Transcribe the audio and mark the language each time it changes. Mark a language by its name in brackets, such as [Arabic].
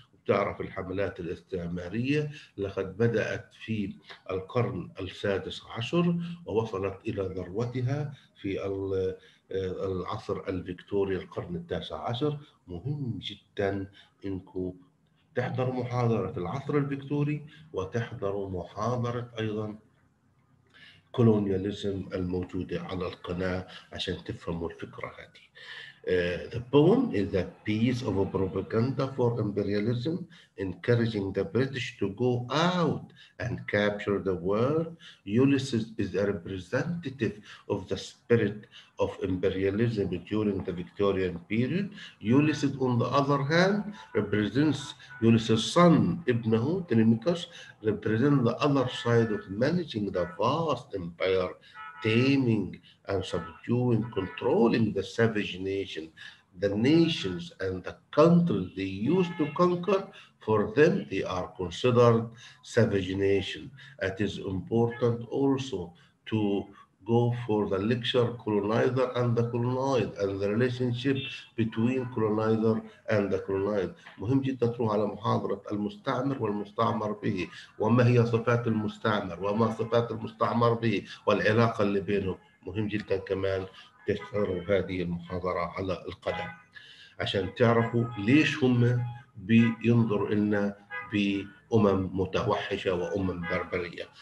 [Arabic] وتعرف الحملات الاستعمارية لقد بدأت في القرن السادس عشر ووصلت إلى ذروتها في العصر الفيكتوري القرن التاسع عشر. مهم جدا إنكو تحضر محاضرة العصر الفيكتوري وتحضر محاضرة أيضا colonialism الموجودة على القناة عشان تفهموا الفكرة هذه. [English] The poem is a piece of a propaganda for imperialism, encouraging the British to go out and capture the world. Ulysses is a representative of the spirit of imperialism during the Victorian period. Ulysses, on the other hand, represents Ulysses' son, Ibnahu, Telemachus, represents the other side of managing the vast empire, taming and subduing, controlling the savage nation, the nations and the countries they used to conquer. For them, they are considered savage nation. It is important also to go for the lecture, colonizer and the colonized, and the relationship between colonizer and the colonized. [Arabic] مهم جدا تروح على محاضرة المستعمر والمستعمر به، وما هي صفات المستعمر، وما صفات المستعمر به، والعلاقة اللي بينه. مهم جدا كمان تحضروا هذه المحاضرة على القدم عشان تعرفوا ليش هم بينظر لنا بأمم متوحشة وأمم بربرية.